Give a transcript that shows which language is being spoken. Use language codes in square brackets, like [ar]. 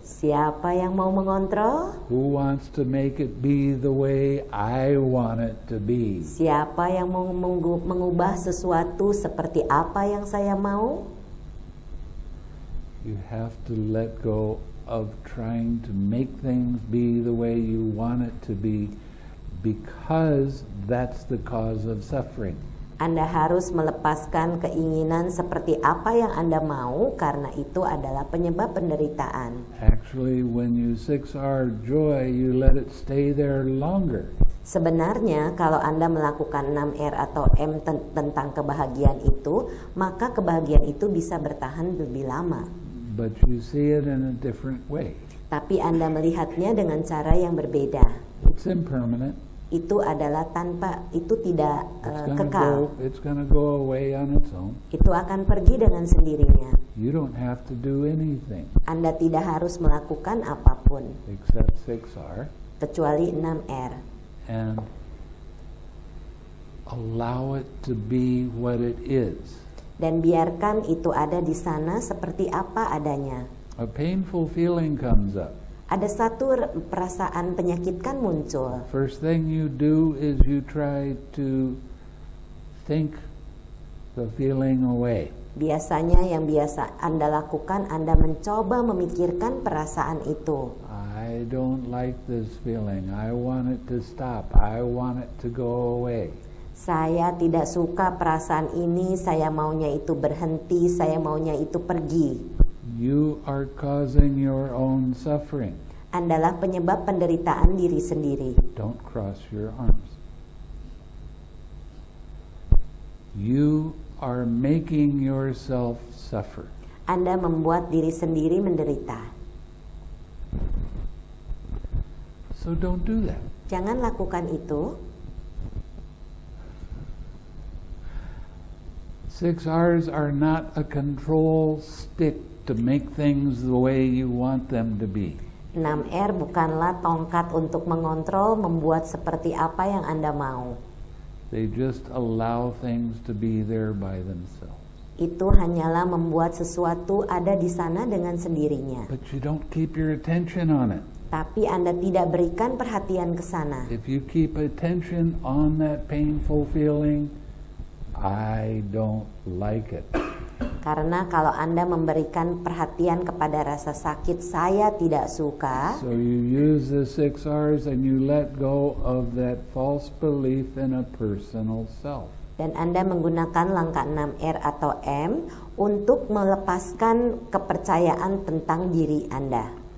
[id] Siapa yang mau mengontrol? [en] Who wants to make it be the way I want it to be? [id] Siapa yang mau mengubah sesuatu seperti apa yang saya mau? [en] You have to let go of trying to make things be the way you want it to be, because that's the cause of suffering. [id] Anda harus melepaskan keinginan seperti apa yang Anda mau karena itu adalah penyebab penderitaan. [en] Actually, when you 6R joy, you let it stay there longer. [id] Sebenarnya, kalau Anda melakukan 6R atau M tentang kebahagiaan itu, maka kebahagiaan itu bisa bertahan lebih lama. [en] But you see it in a different way. [id] Tapi Anda melihatnya dengan cara yang berbeda. [en] It's impermanent. [id] Itu adalah tanpa, itu tidak [en] it's gonna go away on its own. [id] Itu akan pergi dengan sendirinya. [en] You don't have to do anything. [id] Anda tidak harus melakukan apapun. [en] Except 6R. [id] Kecuali 6R. [en] And allow it to be what it is. [id] Dan biarkan itu ada di sana seperti apa adanya. [en] A painful feeling comes up. [id] Ada satu perasaan penyakit kan muncul. [en] First thing you do is you try to think the feeling away. [id] Biasanya yang biasa Anda lakukan, Anda mencoba memikirkan perasaan itu. [en] I don't like this feeling. I want it to stop. I want it to go away. [id] Saya tidak suka perasaan ini. Saya maunya itu berhenti. Saya maunya itu pergi. [en] You are causing your own suffering. [id] Andalah penyebab penderitaan diri sendiri. [en] Don't cross your arms. You are making yourself suffer. [id] Anda membuat diri sendiri menderita. [en] So don't do that. [id] Jangan lakukan itu. [en] 6Rs are not a control stick to make things the way you want them to be. [id] 6R bukanlah tongkat untuk mengontrol, membuat seperti apa yang Anda mau. [en] They just allow things to be there by themselves. [id] Itu hanyalah membuat sesuatu ada di sana dengan sendirinya. [en] But you don't keep your attention on it. [id] Tapi Anda tidak berikan perhatian ke sana. [en] If you keep attention on that painful feeling, I don't like it. [id] Karena kalau Anda memberikan perhatian kepada rasa sakit, saya tidak suka. [en] So you use the six R's and you let go of that false belief in a personal self. [id] Dan Anda menggunakan langkah 6 R atau M untuk melepaskan kepercayaan tentang diri Anda.